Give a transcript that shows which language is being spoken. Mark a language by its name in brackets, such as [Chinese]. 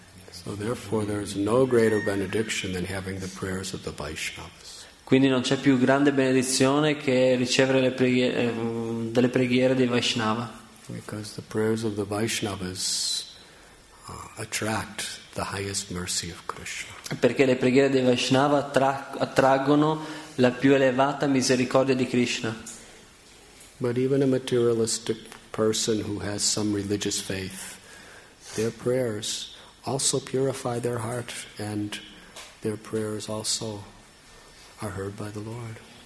[English] So therefore there is no greater benediction than having the prayers of the Vaishnavas. [Italian] Quindi non c'è più grande benedizione che ricevere delle preghiere dei Vaishnava. [English] Because the prayers of the Vaishnavas attract the highest mercy of Krishna. [Italian] Perché le preghiere dei Vaishnava attraggono la più elevata misericordia di Krishna. [English] But even a materialistic person who has some religious faith, their prayers also purify their heart, and their prayers also are heard by the Lord.